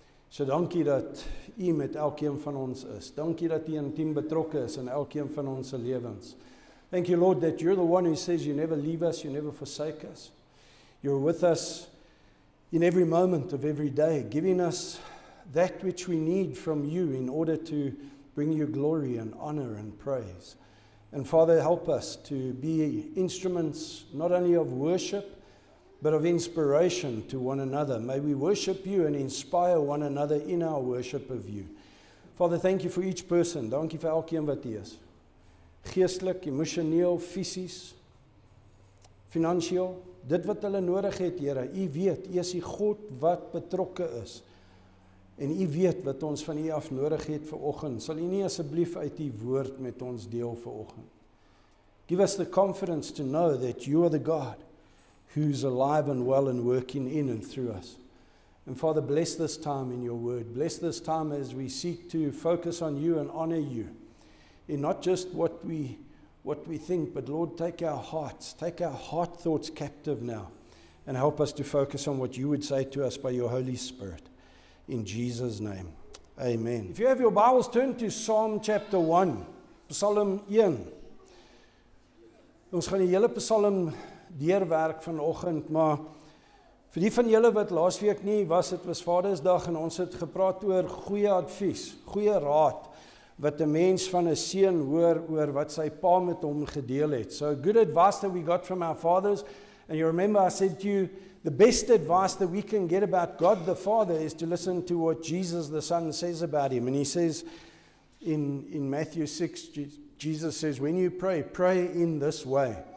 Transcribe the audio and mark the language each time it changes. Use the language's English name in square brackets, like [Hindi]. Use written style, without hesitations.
[Afrikaans] So dankie dat U met elkeen van ons is. Dankie dat U intiem betrokke is in elkeen van ons lewens. [English] Thank you Lord that you're the one who says you never leave us, you never forsake us. You're with us in every moment of every day, giving us that which we need from you in order to bring you glory and honor and praise. And Father, help us to be instruments not only of worship, but of inspiration to one another. May we worship you and inspire one another in our worship of you. Father, thank you for each person. [Afrikaans] Dankie vir elkeen wat hier is. Geestelik, emosioneel, fisies, finansieel. Dit wat hulle nodig het, Here, U weet, U is die God wat betrokke is. En U weet wat ons van U af nodig het vanoggend. Sal U nie asseblief uit U woord met ons deel vanoggend? [English] Give us the confidence to know that you are the God who's alive and well and working in and through us. And Father, bless this time in your word. Bless this time as we seek to focus on you and honor you. In not just what we think, but Lord, take our hearts, take our heart thoughts captive now and help us to focus on what you would say to us by your Holy Spirit. In Jesus' name, amen. If you have your Bibles, turn to Psalm chapter 1, Psalm 1. [Afrikaans] Ons gaan die hele Psalm deurwerk vanoggend, maar vir die van julle wat laas week nie was, het was Vadersdag en ons het gepraat oor goeie advies, goeie raad, wat die mens van 'n seun hoor oor wat sy pa met hom gedeel het. [English] So good advice that we got from our fathers. And you remember I said to you, the best advice that we can get about God the Father is to listen to what Jesus the Son says about him. And he says in Matthew 6, Jesus says, when you pray, pray in this way.